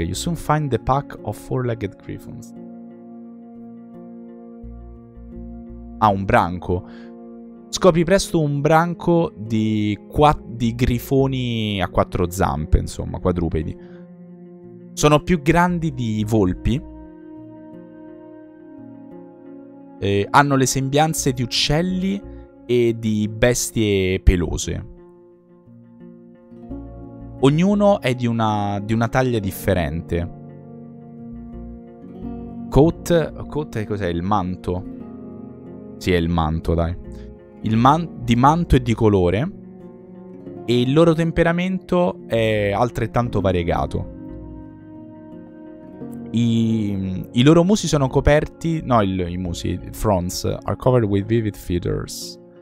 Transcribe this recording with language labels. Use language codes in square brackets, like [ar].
[en] You soon find the pack of four-legged griffons. [it] Ah, un branco. Scopri presto un branco di grifoni a quattro zampe, insomma, quadrupedi. Sono più grandi di volpi. E hanno le sembianze di uccelli e di bestie pelose. Ognuno è di una taglia differente. Coat cos'è? Il manto. Sì, è il manto, dai. Di manto e di colore. E il loro temperamento è altrettanto variegato. I loro musi sono coperti. No, i musi. [en] Fronts are covered with vivid feathers.